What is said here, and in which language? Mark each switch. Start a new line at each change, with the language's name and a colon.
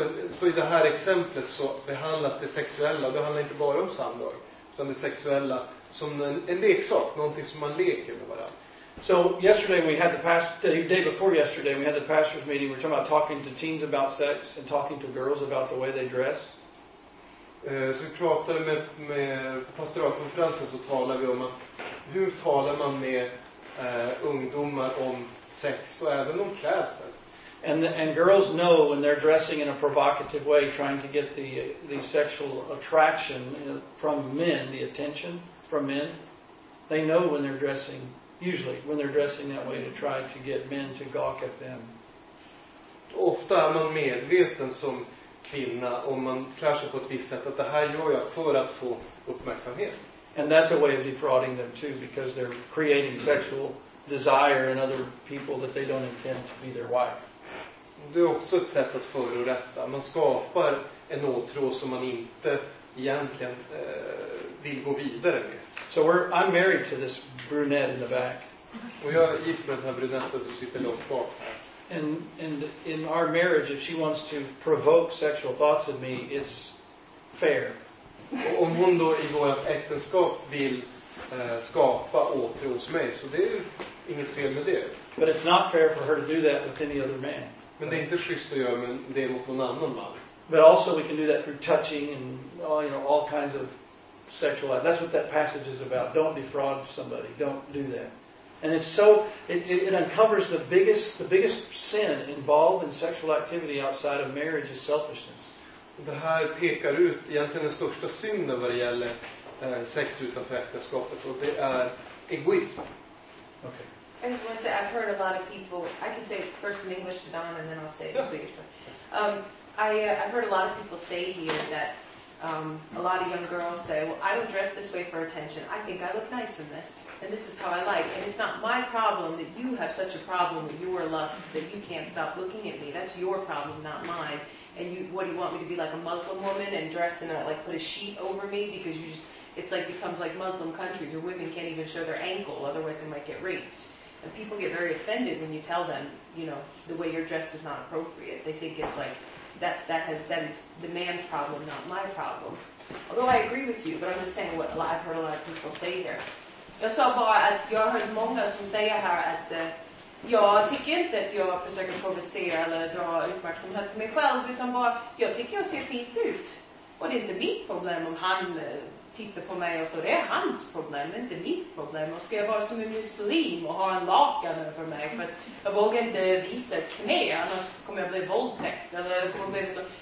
Swedish: Så i det här exemplet så behandlas det sexuella, det handlar inte bara om samlag, utan det sexuella som en leksak, någonting som man leker med varandra.
English: So yesterday we had the pastor's meeting. We're talking about talking to teens about sex and talking to girls about the way they dress.
Swedish: Så vi pratade med pastoralkonferensen, så talar vi om att hur talar man med ungdomar om sex och även om klädsel.
English: And girls know when they're dressing in a provocative way, trying to get the sexual attraction from men, the attention from men. They know when they're dressing. Usually, when they're dressing that way to try to get men to gawk at them.
Swedish: Ofta är man medveten som kvinna om man klär sig på ett visst sätt att det här gör jag för att få uppmärksamhet.
English: And that's a way of defrauding them too, because they're creating sexual desire in other people that they don't intend to be their wife.
Swedish: Det är också ett sätt att förorätta. Man skapar en åtrå som man inte egentligen vill gå vidare med.
English: So I'm married to this brunette in the back.
Swedish: Och jag är gift med den här brunetten som sitter långt bak.
English: And in our marriage, if she wants to provoke sexual thoughts of me, it's fair.
Swedish: Och om hon då i vårt äktenskap vill skapa åtrå hos mig, så det är inget fel med det.
English: But it's not fair for her to do that with any other man.
Swedish: Men det är inte schysst att göra det mot någon annan man.
English: But also we can do that through touching and all kinds of sexual life. That's what that passage is about. Don't defraud somebody. Don't do that. And it's so it uncovers the biggest sin involved in sexual activity outside of marriage is selfishness.
Swedish: Det här pekar ut egentligen den största synden vad det gäller sex utanför äktenskapet, och det är egoism. Okay.
English: I just want to say I've heard a lot of people. I can say first in English to Don, and then I'll say it in Swedish. I've heard a lot of people say here that a lot of young girls say, well, I don't dress this way for attention. I think I look nice in this, and this is how I like. And it's not my problem that you have such a problem with your lusts that you can't stop looking at me. That's your problem, not mine. and you, what do you want me to be, like a Muslim woman and dress in a, like put a sheet over me, because you just, it's like becomes like Muslim countries where women can't even show their ankle, otherwise they might get raped. And people get very offended when you tell them, you know, the way you're dressed is not appropriate. They think it's like, that is the man's problem, not my problem. Although I agree with you, but I'm just saying what I've heard a lot of people say here.
Swedish: Jag sa bara att jag hörde många som säger här att jag tycker inte att jag försöker provocera eller dra uppmärksamhet till mig själv, utan bara, jag tycker jag ser fint ut. Och det är inte mitt problem om han tittar på mig och så. Det är hans problem, det är inte mitt problem. Och ska jag vara som en muslim och ha en lakan över mig för att jag vågar inte visa knä, annars kommer jag bli våldtäkt. Eller kommer jag bli...